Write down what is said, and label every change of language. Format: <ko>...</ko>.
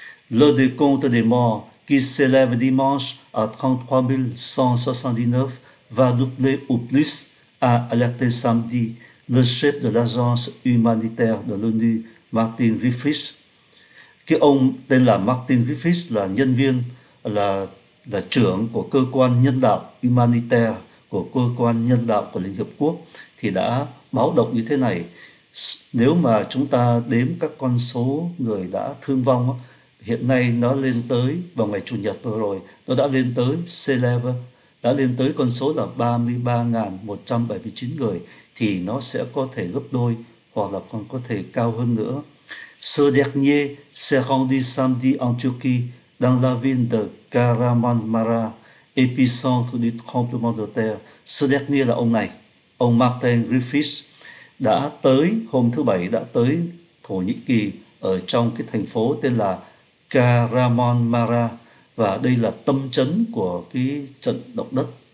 <fr>Le décompte des morts qui s'élève dimanche à 33 179 va doubler ou plus, a alerté samedi le chef de l'agence humanitaire de l'ONU, Martin Griffiths.</fr> <vi>Cái ông tên là Martin Griffiths là nhân viên, là trưởng của cơ quan nhân đạo humanitaire, của cơ quan nhân đạo của Liên Hiệp Quốc, thì đã báo động như thế này. Nếu mà chúng ta đếm các con số người đã thương vong, hiện nay nó lên tới, vào ngày Chủ nhật vừa rồi, nó đã lên tới C-level, đã lên tới con số là 33.179 người, thì nó sẽ có thể gấp đôi hoặc là còn có thể cao hơn nữa.</vi> <fr>Ce dernier s'est rendu samedi en Turquie dans la ville de Karamanmara, épicentre du tremblement de terre.</fr> <vi>Ce dernier là ông này, ông Martin Griffiths, đã tới hôm thứ Bảy, đã tới Thổ Nhĩ Kỳ ở trong cái thành phố tên là Karamanmara, và đây là tâm chấn của cái trận động đất.</vi>